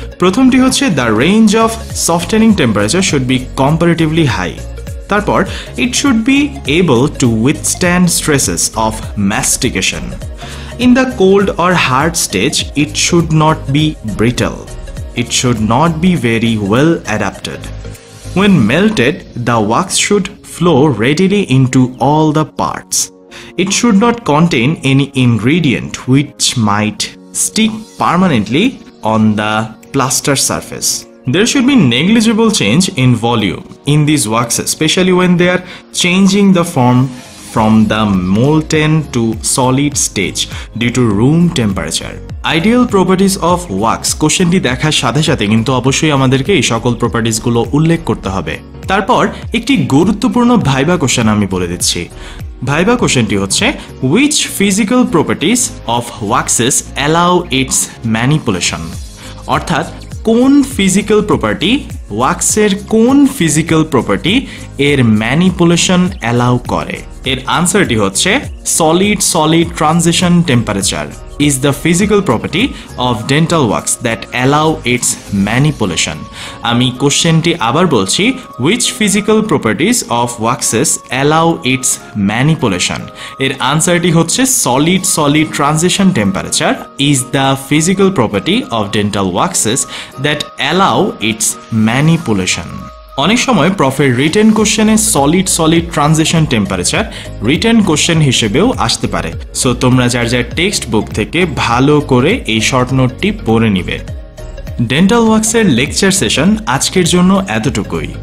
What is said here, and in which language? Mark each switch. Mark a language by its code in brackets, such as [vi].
[bn] প্রথমটি হচ্ছে [en] The range of softening temperature should be comparatively high. তারপর it should be able to withstand stresses of mastication. In the cold or hard stage it should not be brittle. It should not be very well adapted. When melted, the wax should flow readily into all the parts. It should not contain any ingredient which might stick permanently on the plaster surface. There should be negligible change in volume in these waxes, especially when they are changing the form from the molten to solid stage due to room temperature. Ideal properties of wax [bn] কোশ্চেনটি দেখার সাথে সাথে কিন্তু অবশ্যই আমাদেরকে এই সকল প্রপার্টিসগুলো উল্লেখ করতে হবে। তারপর একটি গুরুত্বপূর্ণ ভাইবা কোশ্চেন আমি বলে দিচ্ছি। ভাইবা কোশ্চেনটি হচ্ছে, [en] Which physical properties of waxes allow its manipulation. [bn] অর্থাৎ কোন ফিজিক্যাল প্রপার্টি, ওয়াক্সের কোন ফিজিক্যাল প্রপার্টি এর ম্যানিপুলেশন অ্যালাউ করে। এর আনসারটি হচ্ছে [en] Solid solid transition temperature is the physical property of dental wax that allow its manipulation. [bn] Ami question ti abar bolchi, [en] which physical properties of waxes allow its manipulation? [bn] Er answer ti hocche [en] solid solid transition temperature is the physical property of dental waxes that allow its manipulation. [bn] অনেক সময় প্রফের written কোশ্চেনে solid solid transition temperature written question হিসেবেও আসতে পারে। So তোমরা যার যার text book থেকে ভালো করে এই শর্ট নোটটি পড়ে নিবে। ডেন্টাল ওয়াক্সের লেকচার সেশন আজকের জন্য এতটুকুই।